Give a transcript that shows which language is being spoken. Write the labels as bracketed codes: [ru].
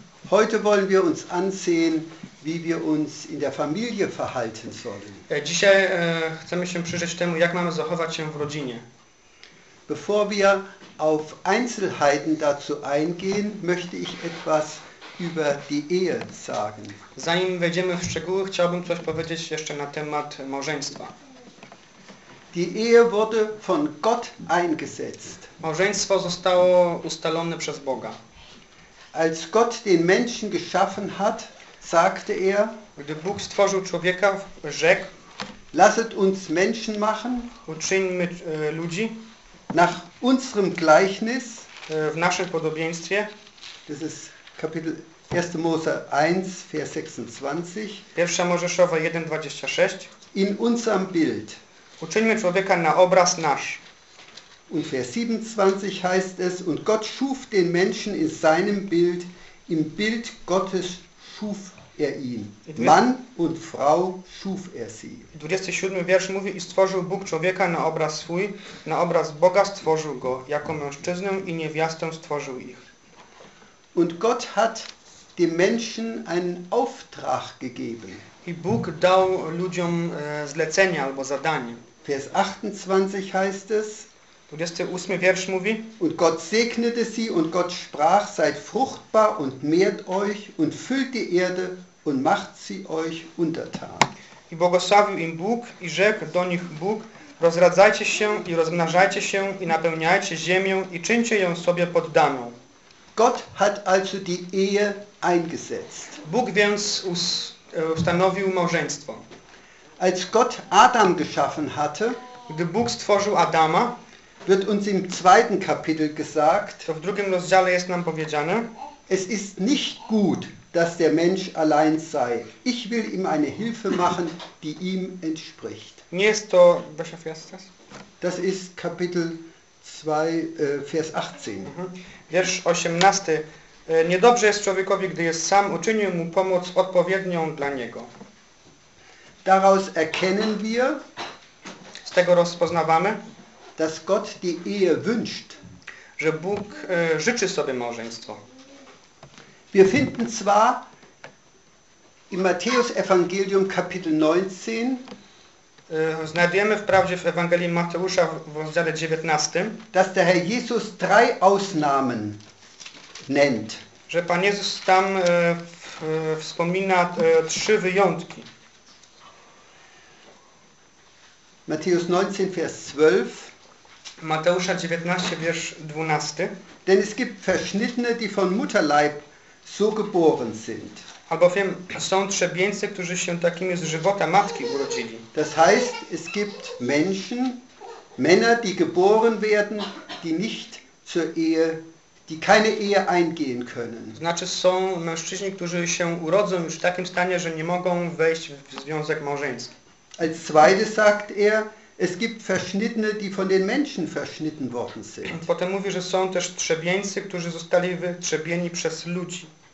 [de] Heute wollen wir uns ansehen, wie wir uns in der Familie verhalten sollen. [pl] Dzisiaj chcemy się przyjrzeć temu, jak mamy zachować się w rodzinie. [de] Bevor wir auf Einzelheiten dazu eingehen, möchte ich etwas über die Ehe sagen. [pl] Zanim wejdziemy w szczegóły, chciałbym coś powiedzieć jeszcze na temat małżeństwa. [de] Die Ehe wurde von Gott eingesetzt. [pl] Małżeństwo zostało ustalone przez Boga. [de] Als Gott den Menschen geschaffen hat, sagte er, [pl] gdy Bóg stworzył człowieka, rzekł: [de] Lasset uns Menschen machen, [pl] uczyńmy ludzi [de] nach unserem Gleichnis, [pl] w naszym podobieństwie. [de] Das ist Kapitel 1. Mose 1, Vers 26. [pl] 1. Mojżeszowa 1, 26. [de] In unserem Bild. [pl] Uczyńmy człowieka na obraz nasz. [de] Und Vers 27 heißt es, und Gott schuf den Menschen in seinem Bild, im Bild Gottes schuf er ihn. Mann und Frau schuf er sie. [pl] 27. wiersz mówi, i stworzył Bóg człowieka na obraz swój, na obraz Boga stworzył go, jako mężczyznę i niewiastę stworzył ich. [de] Und Gott hat dem Menschen einen Auftrag gegeben. [pl] I Bóg dał ludziom zlecenie albo zadanie. [de] Vers 28 heißt es. [pl] 28. wiersz mówi. [de] Und Gott segnete sie und Gott sprach, seid fruchtbar und mehrt euch und füllt die Erde und macht sie euch untertan. [pl] I błogosławił im Bóg i rzekł do nich Bóg, rozradzajcie się i rozmnażajcie się i napełniajcie ziemię i czyńcie ją sobie poddaną. [de] Gott hat also die Ehe eingesetzt. [pl] Bóg więc ustanowił małżeństwo. [de] Als Gott Adam geschaffen hatte, [pl] gdy Bóg stworzył Adama, [de] wird uns im zweiten Kapitel gesagt, [pl] to w drugim rozdziale jest nam powiedziane, [de] es ist nicht gut, dass der Mensch allein sei. Ich will ihm eine Hilfe machen, die ihm entspricht. [pl] Nie jest to, [de] welcher Vers ist das? Das ist Kapitel 2, Vers 18. [pl] Wiersz 18. Niedobrze jest człowiekowi, gdy jest sam, uczynił mu pomoc odpowiednią dla niego. [de] Daraus erkennen wir, [pl] Z tego rozpoznawamy, [de] dass Gott die Ehe wünscht. [pl] Że Bóg życzy sobie małżeństwo. [de] Wir finden zwar im Matthäus Evangelium Kapitel 19, [pl] znajdujemy wprawdzie w Ewangelii Mateusza w rozdziale 19, [de] dass der Herr Jesus drei Ausnahmen nennt. [pl] Że Pan Jezus tam wspomina trzy wyjątki. [de] Matthäus 19, Vers 12. [pl] Mateusza 19, Vers 12. [de] Denn es gibt Verschnittene, die von Mutterleib so geboren sind. [pl] Albowiem są trzebieńcy, którzy się takimi z żywota matki urodzili. [de] Das heißt, es gibt Menschen, Männer, die geboren werden, die nicht zur Ehe, die keine Ehe eingehen können. [pl] Znaczy są mężczyźni, którzy się urodzą już w takim stanie, że nie mogą wejść w związek małżeński. [de] Als zweites sagt er, es gibt Verschnittene, die von den Menschen verschnitten worden sind. [pl] Potem mówi, że są też trzebieńcy, którzy zostali wytrzebieni przez ludzi.